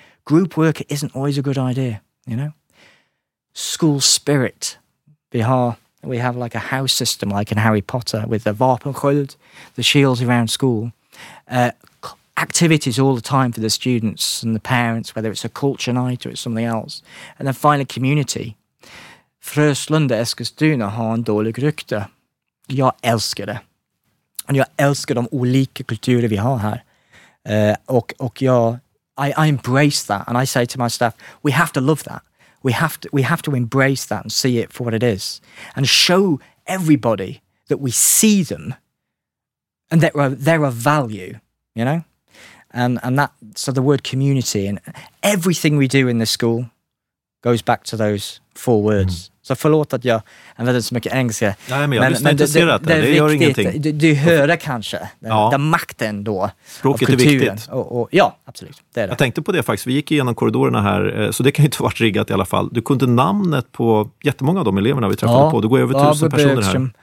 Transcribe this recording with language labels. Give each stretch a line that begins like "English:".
English: Group work isn't always a good idea, you know. School spirit, we have like a house system, like in Harry Potter, with the Vorpal Sköld, the shields around school. activities all the time for the students and the parents, whether it's a culture night or it's something else. And then finally, community.
Swedish: Fröslunda Eskilstuna har en dålig rykte. Jag älskar det. Och jag älskar de olika kulturer vi har här.
English: I embrace that. And I say to my staff, we have to love that. We have to embrace that and see it for what it is. And show everybody that we see them and that they're of value, you know? And that, so the word community and everything we do in this school goes back to those four words. Mm.
Swedish: Så förlåt att jag använder så mycket engelska. Nej, men jag lyssnar intresserat. Det gör ingenting. Du hör det kanske. Den makten då. Språket är viktigt. Ja, absolut. Det är det. Jag tänkte på det faktiskt. Vi gick igenom korridorerna här. Så det kan ju inte vara riggat i alla fall. Du kunde namnet på jättemånga av de eleverna vi träffade på. Du går över 1000 personer här.